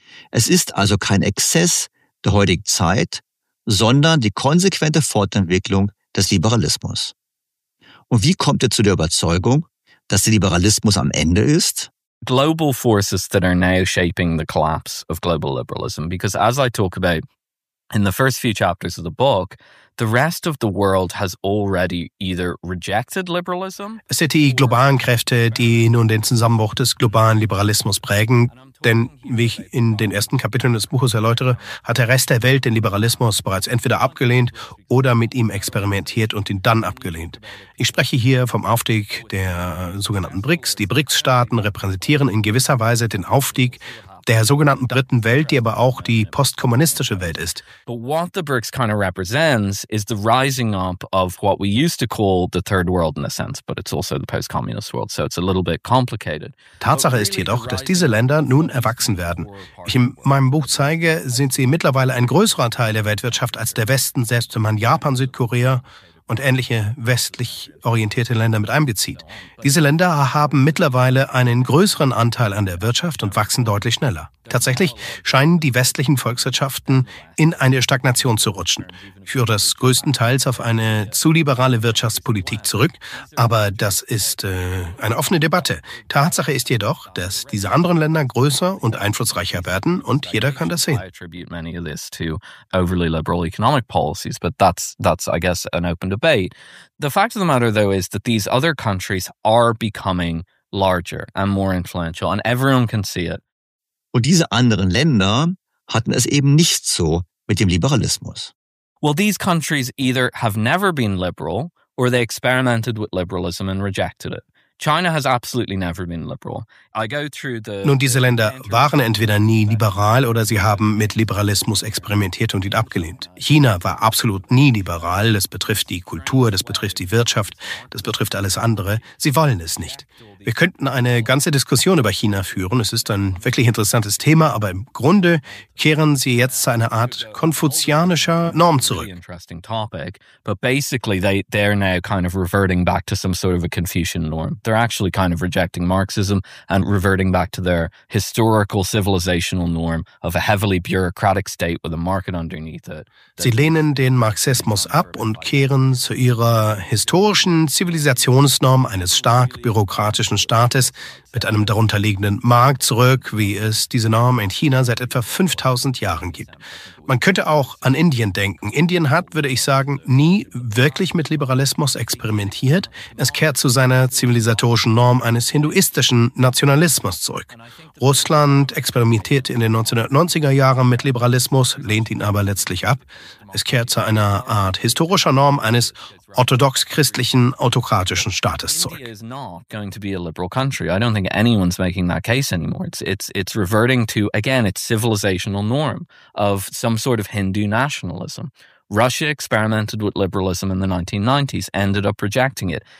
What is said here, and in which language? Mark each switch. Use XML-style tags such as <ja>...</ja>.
<de>Es ist also kein Exzess der heutigen Zeit, sondern die konsequente Fortentwicklung des Liberalismus. Und wie kommt er zu der Überzeugung, dass der Liberalismus am Ende ist?</de> <en>Global forces that are now shaping the collapse of global liberalism, because as I talk about in the first few chapters of the book, the rest of the world has already either rejected liberalism.</en> <de>Es sind die globalen Kräfte, die nun den Zusammenbruch des globalen Liberalismus prägen. Denn, wie ich in den ersten Kapiteln des Buches erläutere, hat der Rest der Welt den Liberalismus bereits entweder abgelehnt oder mit ihm experimentiert und ihn dann abgelehnt. Ich spreche hier vom Aufstieg der sogenannten BRICS. Die BRICS-Staaten repräsentieren in gewisser Weise den Aufstieg der sogenannten dritten Welt, die aber auch die postkommunistische Welt ist.</de> <en>But what the BRICS kind of represents is the rising up of what we used to call the third world in a sense, but it's also the post-communist world, so it's a little bit complicated.</en> <de>Tatsache ist jedoch, dass diese Länder nun erwachsen werden. Ich in meinem Buch zeige, sind sie mittlerweile ein größerer Teil der Weltwirtschaft als der Westen, selbst wenn man Japan, Südkorea und ähnliche westlich orientierte Länder mit einbezieht. Diese Länder haben mittlerweile einen größeren Anteil an der Wirtschaft und wachsen deutlich schneller. Tatsächlich scheinen die westlichen Volkswirtschaften in eine Stagnation zu rutschen. Ich führe das größtenteils auf eine zu liberale Wirtschaftspolitik zurück, aber das ist eine offene Debatte. Tatsache ist jedoch, dass diese anderen Länder größer und einflussreicher werden und jeder kann das sehen.</de> <en>I attribute many of this to overly liberal economic policies, but that's I guess an open debate. The fact of the matter though is that these other countries are becoming larger and more influential and everyone can see it.</en> <de>Und diese anderen Länder hatten es eben nicht so mit dem Liberalismus.</de> <en>Well, these countries either have never been liberal or they experimented with liberalism and rejected it. China has absolutely never been liberal. I go through the.</en> <de>Nun, diese Länder waren entweder nie liberal oder sie haben mit Liberalismus experimentiert und ihn abgelehnt. China war absolut nie liberal. Das betrifft die Kultur, das betrifft die Wirtschaft, das betrifft alles andere. Sie wollen es nicht. Wir könnten eine ganze Diskussion über China führen. Es ist ein wirklich interessantes Thema, aber im Grunde kehren sie jetzt zu einer Art konfuzianischer Norm zurück.</de> <en>Interesting topic, but basically they're now kind of reverting back to some sort of a Confucian norm. They're actually kind of rejecting Marxism and reverting back to their historical civilizational norm of a heavily bureaucratic state with a market underneath it.</en> <de>Sie lehnen den Marxismus ab und kehren zu ihrer historischen Zivilisationsnorm eines stark bürokratischen Staates mit einem darunterliegenden Markt zurück, wie es diese Norm in China seit etwa 5000 Jahren gibt. Man könnte auch an Indien denken. Indien hat, würde ich sagen, nie wirklich mit Liberalismus experimentiert. Es kehrt zu seiner zivilisatorischen Norm eines hinduistischen Nationalismus zurück. Russland experimentierte in den 1990er Jahren mit Liberalismus, lehnt ihn aber letztlich ab. Es kehrt zu einer Art historischer Norm eines orthodox-christlichen autokratischen Staates zurück.</de> <en>India is not going to be a liberal country. I don't think anyone's making that case anymore. It's reverting to, again, its civilizational norm of some sort of Hindu nationalism. Russia experimented with liberalism in the 1990s, ended up rejecting it.</en>